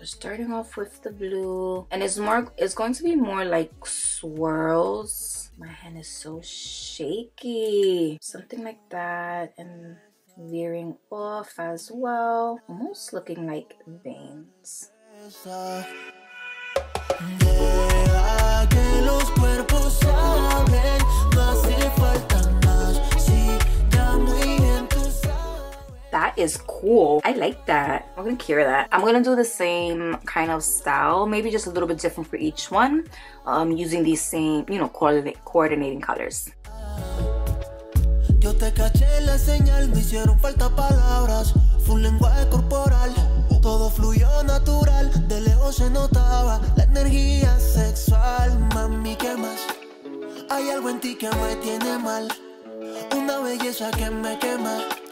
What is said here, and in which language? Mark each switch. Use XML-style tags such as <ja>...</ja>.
<en>Just starting off with the blue, and it's going to be more like swirls. My hand is so shaky. Something like that, and veering off as well, almost looking like veins.</en> <es>Deja que los cuerpos se abren, no hace falta más, si ya muy bien.</es> <en>That is cool. I like that. I'm gonna cure that. I'm gonna do the same kind of style, maybe just a little bit different for each one, using these same, you know, coordinating colors.</en> <es>Yo te caché la señal, me hicieron falta palabras, fue un lenguaje corporal. Todo fluyó natural, de lejos se notaba la energía sexual. Mami, ¿qué más? Hay algo en ti que me tiene mal, una belleza que me quema.</es>